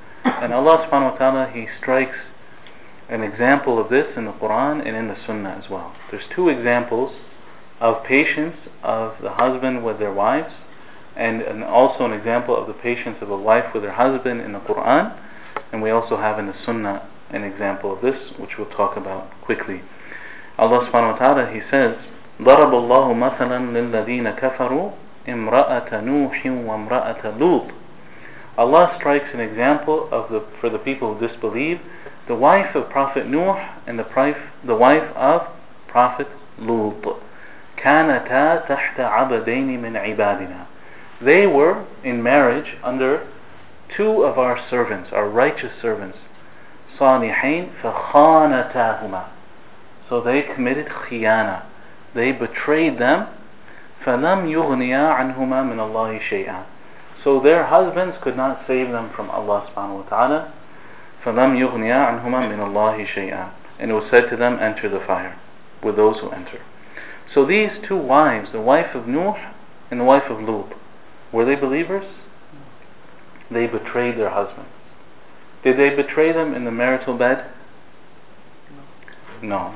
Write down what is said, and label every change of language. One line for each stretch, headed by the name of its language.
English: And Allah subhanahu wa ta'ala, He strikes an example of this in the Quran and in the Sunnah as well. There's two examples of patience of the husband with their wives, and also an example of the patience of a wife with her husband in the Quran. And we also have in the Sunnah an example of this, which we'll talk about quickly.
Arabic: Allah subhanahu wa ta'ala,
English: He says,
Arabic: ضَرَبَ اللَّهُ مَثَلًا لِلَّذِينَ كَفَرُوا إِمْرَأَةَ نُوحٍ وَامْرَأَةَ لُوطٍ.
English: Allah strikes an example of for the people who disbelieve, the wife of Prophet Nuh and the wife of Prophet Lut.
Arabic: كَانَتَا تَحْتَ عَبَدَيْنِ مِنْ عِبَادِنَا.
English: They were in marriage under two of our servants, our righteous servants,
Arabic: صالحين فخانتاهما.
English: So they committed خيانة. They betrayed them.
Arabic: فلم يغنيا عنهما من الله شيئا.
English: So their husbands could not save them from Allah subhanahu wa ta'ala.
Arabic: فلم يغنيا عنهما من الله شيئا.
English: And it was said to them, enter the fire with those who enter. So these two wives, the wife of Nuh and the wife of Lut, were they believers? They betrayed their husbands. Did they betray them in the marital bed? No.